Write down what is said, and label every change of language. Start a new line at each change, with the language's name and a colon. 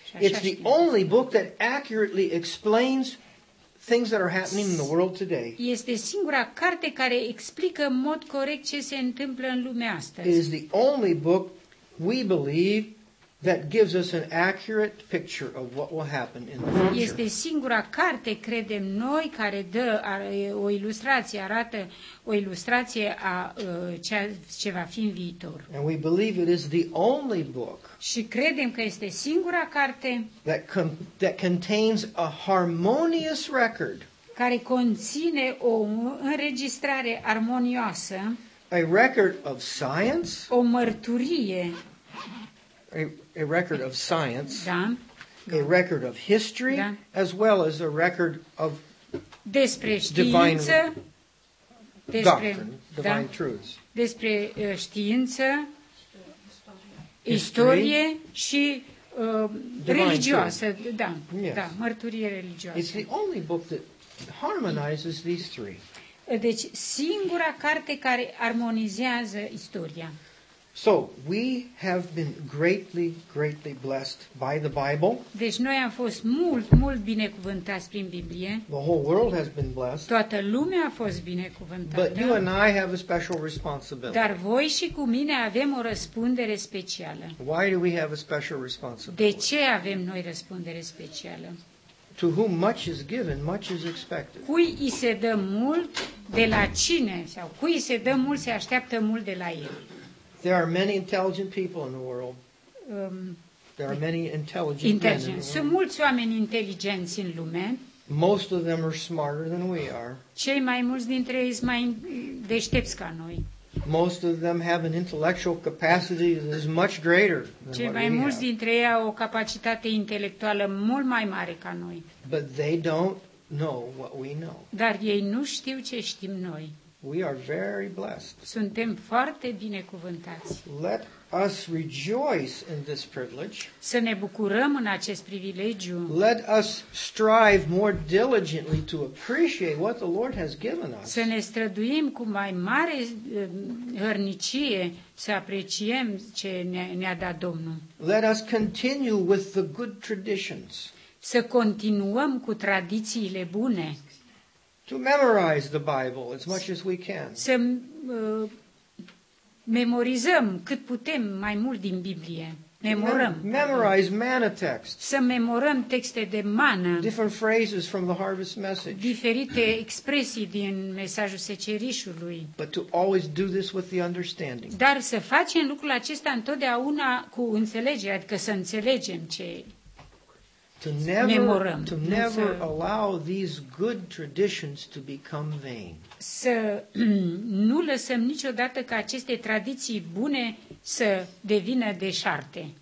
English: It's the only book that accurately explains things that are happening in the world today.
Romanian: Este singura carte care explică în mod corect ce se întâmplă în lumea astăzi.
English: It is the only book we believe that gives us an accurate picture of what will happen in the future.
Romanian: Este singura carte, credem noi, care dă o ilustrație, arată o ilustrație a ce va fi în viitor.
English: And we believe it is the only book.
Romanian: Și credem că este singura carte
English: that contains a harmonious record.
Romanian: Care conține o înregistrare armonioasă.
English: A record of science.
Romanian: O mărturie.
English: A record of science,
Romanian: da.
English: A record of history,
Romanian: da.
English: As well as a record of
Romanian: despre știință,
English: divine
Romanian: despre,
English: doctrine, divine
Romanian: da.
English: Truths.
Romanian: Despre știință, istorie și religioasă, da,
English: yes.
Romanian: Da, mărturie religioasă.
English: It's the only book that harmonizes these three.
Romanian: Deci singura carte care armonizează istoria.
English: So, we have been greatly, greatly blessed by the Bible.
Romanian: Deci noi am fost mult, mult binecuvântați prin Biblie.
English: The whole world has been blessed.
Romanian: Toată lumea a fost binecuvântată.
English: But you and I have a special responsibility.
Romanian: Dar voi și cu mine avem o răspundere specială.
English: Why do we have a special responsibility?
Romanian: De ce avem noi răspundere specială?
English: To whom much is given, much is expected.
Romanian: Cui i se dă mult, de la cine? Sau cui i se dă mult, se așteaptă mult de la el.
English: There are many intelligent people in the world. There are many intelligent men.
Romanian: Sunt mulți oameni inteligenți în lume.
English: Most of them are smarter than we are.
Romanian: Cei mai mulți dintre ei sunt mai deștepți ca noi.
English: Most of them have an intellectual capacity that is much greater than we have.
Romanian: Cei mai mulți dintre ei au o capacitate intelectuală mult mai mare ca noi.
English: But they don't know what we know.
Romanian: Dar ei nu știu ce știm noi.
English: We are very blessed.
Romanian: Suntem foarte binecuvântați.
English: Let us rejoice in this privilege.
Romanian: Să ne bucurăm în acest privilegiu.
English: Let us strive more diligently to appreciate what the Lord has given us.
Romanian: Să ne străduim cu mai mare hărnicie să apreciem ce ne-a dat Domnul.
English: Let us continue with the good traditions.
Romanian: Să continuăm cu tradițiile bune.
English: To memorize the Bible as much as we can.
Romanian: Să memorizăm cât putem mai mult din Biblie. Memorăm.
English: Memorize manna texts.
Romanian: Să memorăm texte de mană.
English: Different phrases from the harvest message.
Romanian: Diferite expresii din mesajul secerișului.
English: But to always do this with the understanding.
Romanian: Dar să facem lucrul acesta întotdeauna cu înțelegere, adică să înțelegem ce
English: To never allow these good traditions to become vain.
Romanian: Să nu lăsăm niciodată ca aceste tradiții bune să devină deșarte.